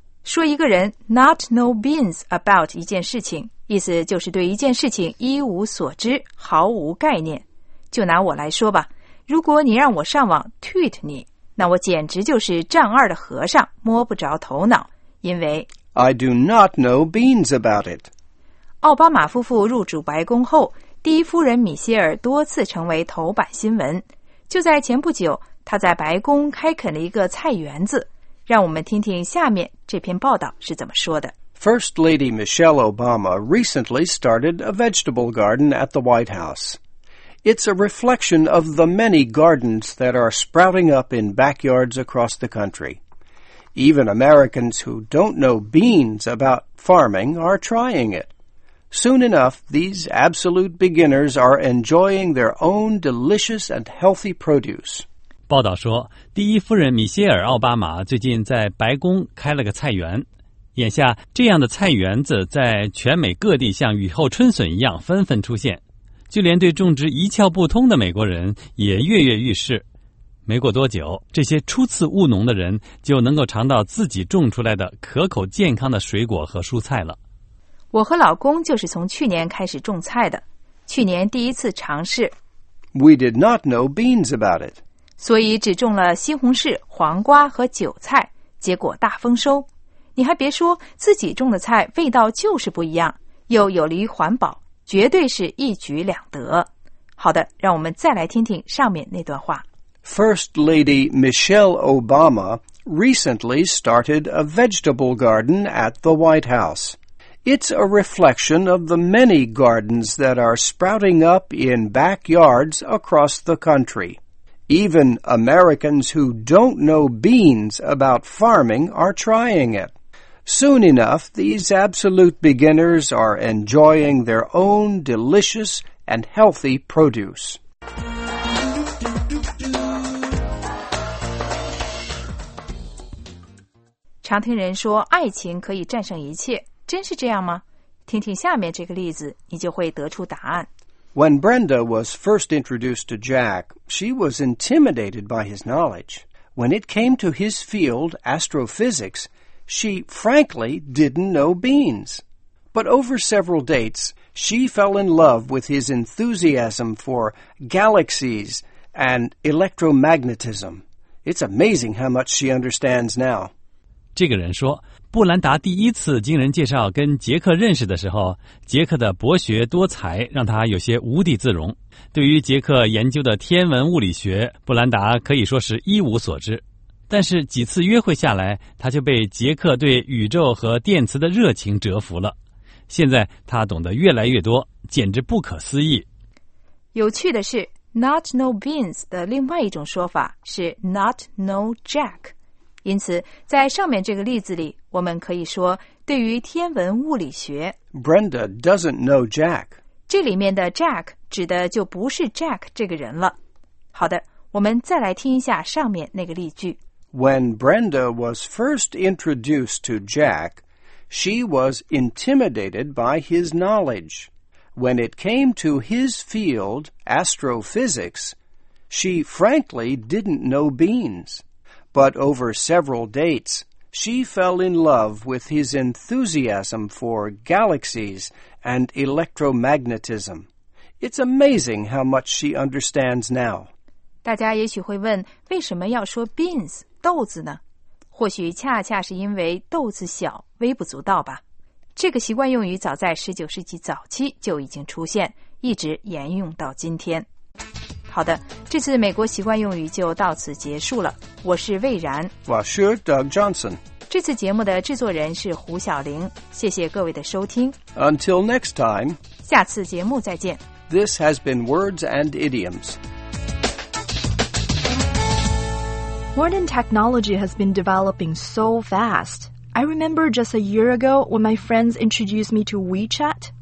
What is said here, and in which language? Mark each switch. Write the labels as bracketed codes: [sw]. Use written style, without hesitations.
[zh] 说一个人 [en] not know beans about [zh] 一件事情，意思就是对一件事情一无所知，毫无概念。就拿我来说吧，如果你让我上网 tweet 你，那我简直就是丈二的和尚，摸不着头脑，因为 [en] I do not know beans about it. [zh] 奥巴马夫妇入主白宫后，第一夫人米歇尔多次成为头版新闻。就在前不久，她在白宫开垦了一个菜园子，让我们听听下面这篇报道是怎么说的。 [en] First Lady Michelle Obama recently started a vegetable garden at the White House. It's a reflection of the many gardens that are sprouting up in backyards across the country. Even Americans who don't know beans about farming are trying it. Soon enough, these absolute beginners are enjoying their own delicious and healthy produce. [zh] 报道说，第一夫人米歇尔·奥巴马最近在白宫开了个菜园。眼下这样的菜园子在全美各地像雨后春笋一样纷纷出现，就连对种植一窍不通的美国人也跃跃欲试。没过多久，这些初次务农的人就能够尝到自己种出来的可口健康的水果和蔬菜了。我和老公就是从去年开始种菜的，去年第一次尝试。 [en] We did not know beans about it. [zh] 所以只种了西红柿、黄瓜和韭菜，结果大丰收。你还别说，自己种的菜味道就是不一样，又有利于环保，绝对是一举两得。好的，让我们再来听听上面那段话。 [en] First Lady Michelle Obama recently started a vegetable garden at the White House. It's a reflection of the many gardens that are sprouting up in backyards across the country. Even Americans who don't know beans about farming are trying it. Soon enough, these absolute beginners are enjoying their own delicious and healthy produce. [zh] 常听人说爱情可以战胜一切，真是这样吗？听听下面这个例子，你就会得出答案。 [en] When Brenda was first introduced to Jack, she was intimidated by his knowledge. When it came to his field, astrophysics, she frankly didn't know beans. But over several dates, she fell in love with his enthusiasm for galaxies and electromagnetism. It's amazing how much she understands now. [zh] 这个人说，布兰达第一次经人介绍跟杰克认识的时候，杰克的博学多才让他有些无地自容。对于杰克研究的天文物理学，布兰达可以说是一无所知。但是几次约会下来，他就被杰克对宇宙和电磁的热情折服了。现在他懂得越来越多，简直不可思议。有趣的是 ， [en] not know beans [zh] 的另外一种说法是 [en] not know Jack。 [zh] 因此，在上面这个例子里，我们可以说，对于天文物理学 [en] ，Brenda doesn't know Jack。 [zh] 这里面的 Jack 指的就不是 Jack 这个人了。好的，我们再来听一下上面那个例句。 [en] When Brenda was first introduced to Jack, she was intimidated by his knowledge. When it came to his field, astrophysics, she frankly didn't know beans. But over several dates, she fell in love with his enthusiasm for galaxies and electromagnetism. It's amazing how much she understands now. [zh] 大家也许会问，为什么要说 beans, 豆子呢？或许恰恰是因为豆子小，微不足道吧。这个习惯用语早在19世纪早期就已经出现，一直沿用到今天。好的，这次美国习惯用语就到此结束了。我是魏然，我是 Doug Johnson。这次节目的制作人是胡晓玲。谢谢各位的收听。 [en] Until next time， [zh] 下次节目再见。 [en] This has been Words and Idioms. Modern technology has been developing so fast. I remember just a year ago when my friends introduced me to WeChat.